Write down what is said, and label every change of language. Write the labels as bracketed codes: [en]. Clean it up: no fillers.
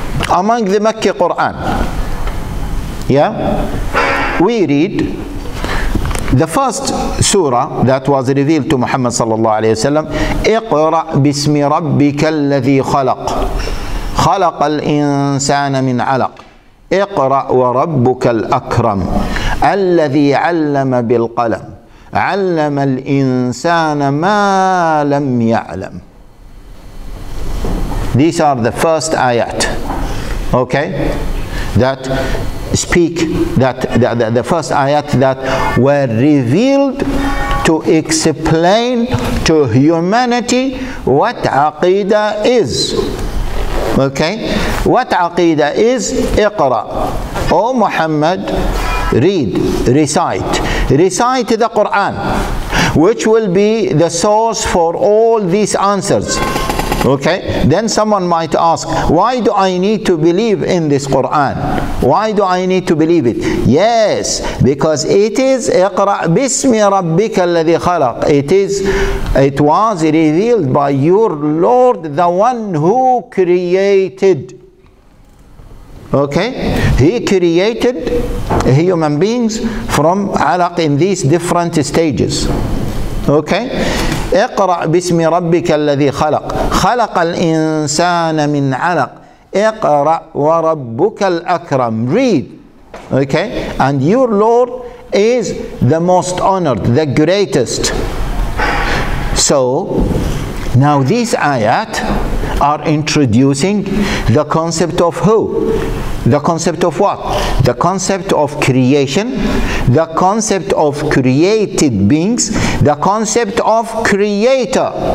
[en] Among the Makki Quran, yeah, we read the first surah that was revealed to Muhammad sallallahu alayhi wa sallam, [ar] اقرأ بسم ربك الذي خلق خلق الإنسان من علق اقرأ وربك الأكرم الذي علم بالقلم علم الإنسان ما لم يعلم. [en] These are the first ayat. Okay? That speak that the first ayat that were revealed to explain to humanity what aqeedah is. Okay? What aqeedah is? Iqra. O Muhammad, read, recite. Recite the Quran, which will be the source for all these answers. Okay, then someone might ask, why do I need to believe in this Quran? Why do I need to believe it? Yes, because it is [ar] اقرأ بسم ربك الذي خلق. [en] It was revealed by your Lord, the one who created. Okay, he created human beings from علق in these different stages. [ar] Okay, اقرأ بسم ربك الذي خلق خلق الإنسان من علق اقرأ وربك الأكرم. [en] Read. Okay, and your Lord is the most honored, the greatest. So now these ayat are introducing the concept of who? The concept of what? The concept of creation, the concept of created beings, the concept of creator.